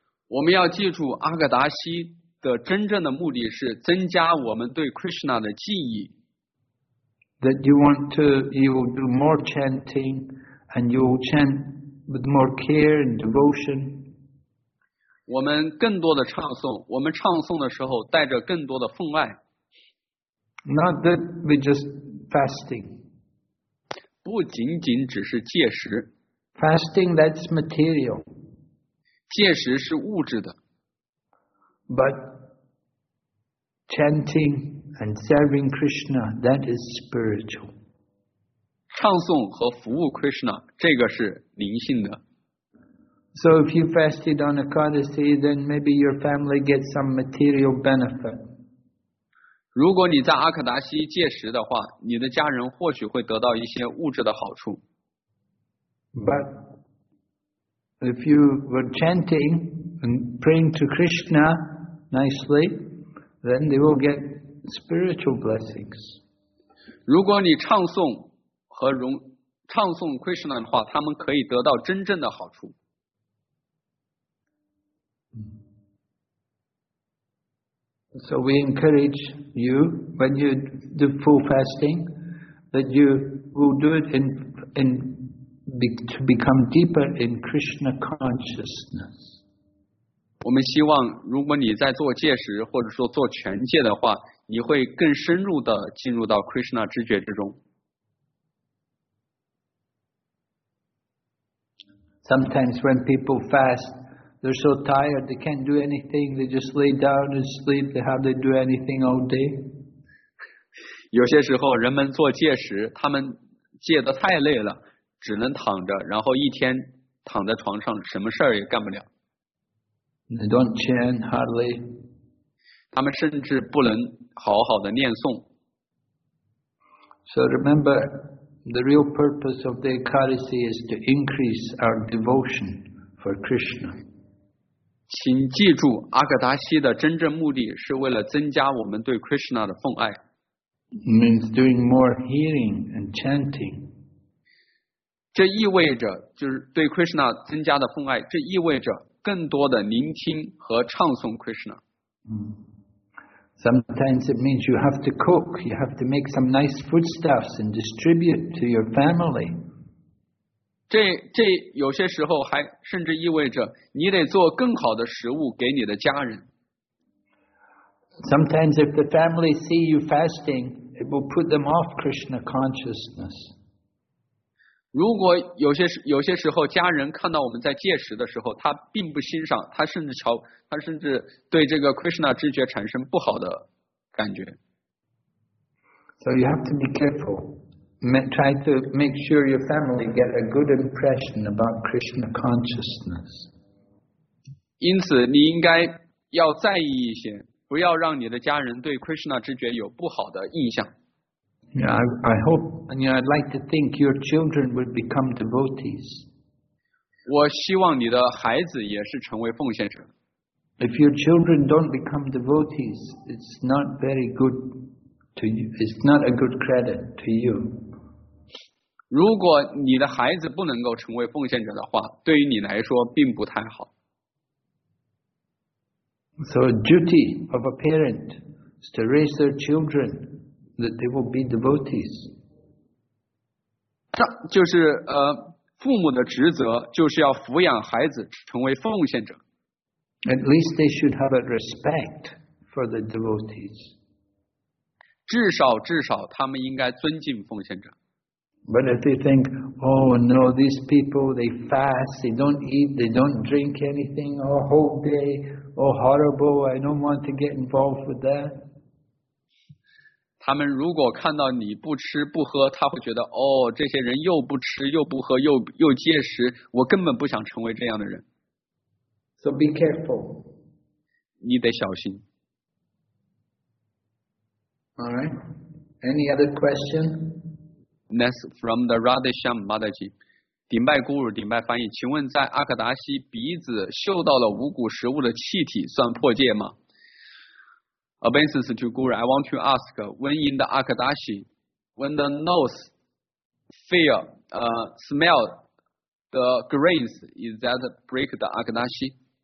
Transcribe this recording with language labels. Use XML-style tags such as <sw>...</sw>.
<zh>我们要记住阿格达西的真正的目的是增加我们对 Krishna 的记忆。</zh> <en>That you want to, you will do more chanting, and you will chant with more care and devotion.</en> <zh>我们更多的唱诵，我们唱诵的时候带着更多的奉爱。</zh> <en>Not that we just. Fasting.</en> <zh>不仅仅只是戒食。</zh> <en>Fasting, that's material.</en> <zh>戒食是物质的。</zh> <en>But chanting and serving Krishna, that is spiritual.</en> <zh>唱诵和服务 Krishna, 这个是灵性的。</zh> <en>So if you fasted on Ekadasi, then maybe your family gets some material benefit.</en> <zh>如果你在阿克达西戒食的话，你的家人或许会得到一些物质的好处。</zh> <en>But if you were chanting and praying to Krishna nicely, then they will get spiritual blessings.</en> <zh>如果你唱诵和唱诵 Krishna 的话，他们可以得到真正的好处。</zh> <en>So we encourage you when you do full fasting that you will do it to become deeper in Krishna consciousness.</en> <zh>我们希望如果你在做戒食或者说做全戒的话，你会更深入的进入到 Krishna 知觉之中。</zh> <en>Sometimes when people fast. They're so tired, they can't do anything. They just lay down and sleep. They hardly do anything all day.</en> <zh>有些时候人们做戒食，他们戒得太累了，只能躺着，然后一天躺在床上，什么事儿也干不了。</zh> <en>They don't chant hardly.</en> <zh>他们甚至不能好好的念诵。</zh> <en>So remember, the real purpose of the Ekadasi is to increase our devotion for Krishna.</en> <zh>请记住阿格达西的真正目的是为了增加我们对 Krishna 的奉爱。</zh> <en>Means doing more hearing and chanting.</en> <zh>这意味着就是对 Krishna 增加的奉爱，这意味着更多的聆听和唱诵 Krishna。</zh> <en>Sometimes it means you have to cook, you have to make some nice foodstuffs and distribute to your family.</en> <zh>这有些时候还甚至意味着你得做更好的食物给你的家人。</zh> <en>Sometimes if the family see you fasting, it will put them off Krishna consciousness.</en> <zh>如果有些时候家人看到我们在戒食的时候，他并不欣赏，他甚至对这个 Krishna 知觉产生不好的感觉。</zh> <en>So you have to be careful. Try to make sure your family get a good impression about Krishna consciousness.</en> <zh>因此，你应该要在意一些，不要让你的家人对 Krishna 知觉有不好的印象。</zh> <en>Yeah, I hope, and you know, I'd like to think your children would become devotees.</en> <zh>我希望你的孩子也是成为奉献者。</zh> <en>If your children don't become devotees, it's not very good. It's not a good credit to you.</en> <zh>如果你的孩子不能够成为奉献者的话，对于你来说并不太好。</zh> <en>So a duty of a parent is to raise their children that they will be devotees.</en> <zh>就是父母的职责就是要抚养孩子成为奉献者。</zh> <en>At least they should have a respect for the devotees.</en> <zh>至少至少他们应该尊敬奉献者。</zh> <en>But if they think, oh no, these people, they fast, they don't eat, they don't drink anything all whole day, oh horrible, I don't want to get involved with that.</en> <zh>他们如果看到你不吃不喝，他会觉得哦，这些人又不吃又不喝又节食，我根本不想成为这样的人。</zh> <en>So be careful.</en> <zh>你得小心。</zh> <en>All right. Any other question? Next, from the Radhisham Madhaji.</en> <zh>顶拜古鲁顶拜翻译，请问在阿克达西鼻子嗅到了五谷食物的气体算破戒吗？</zh> <en>Obeisance to Guru, I want to ask, when in the Akadashi, when the nose feel, smell the grains, is that break the Akadashi?</en>